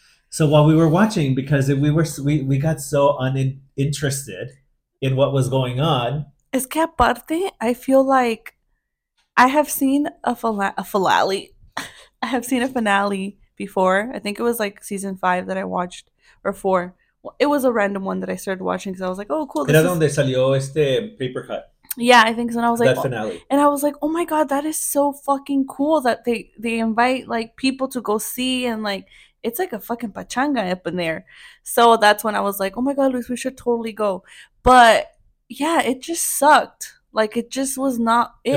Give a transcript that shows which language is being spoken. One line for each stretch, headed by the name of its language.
English: So while we were watching, because we got so uninterested in what was going on.
Spanish: Es que aparte,
English: I feel like I have seen a finale. I have seen a finale before. I think it was like season 5 that I watched, or 4. It was a random one that I started watching because I was like, oh, cool.
Spanish: Era donde salió este
English: paper cut. Yeah, I think so. And I was like, that finale. And I was like, oh my God, that is so fucking cool that they invite like people to go see and like, it's like a fucking pachanga up in there. So that's when I was like, oh my God, Luis, we should totally go. But yeah, it just sucked. Like, it just was not it.